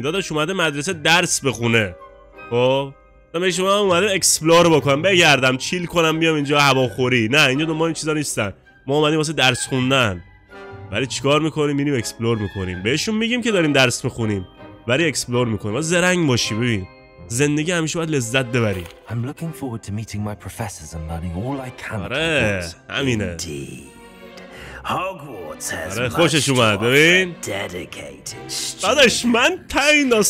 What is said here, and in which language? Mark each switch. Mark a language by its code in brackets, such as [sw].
[fa] داداش اومده مدرسه درس بخونه. خب من بهش میگم اومده اکسپلور بکنم بگردم چیل کنم بیام اینجا هواخوری. نه اینجا دو ما این چیزا نیستن. ما اومدیم واسه درس خوندن. ولی چیکار میکنیم؟ میریم اکسپلور میکنیم. بهشون میگیم که داریم درس میخونیم ولی اکسپلور میکنیم. واسه زرنگ باشی ببین. زندگی همیشه باید لذت ببری. [en] I'm looking forward to meeting my professors and learning all I can. [fa] آره همینه. [en] Hogwarts has [fa] آره خوشش اومد ببین بعدش من تا این